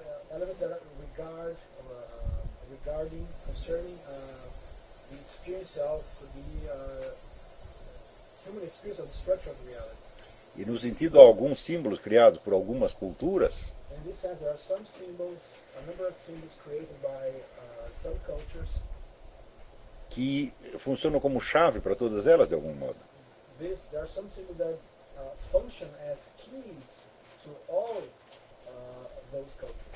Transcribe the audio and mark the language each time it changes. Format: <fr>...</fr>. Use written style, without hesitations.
<en>Elements that regard regarding concerning the experience of the human experience of the structure of reality.</en> <pt>E no sentido a alguns símbolos criados por algumas culturas.</pt> <en>In this sense, there are some symbols, a number of symbols created by some cultures</en> <pt>que funcionam como chave para todas elas de algum modo.</pt> <en>There are some symbols that function as keys to all those cultures.</en>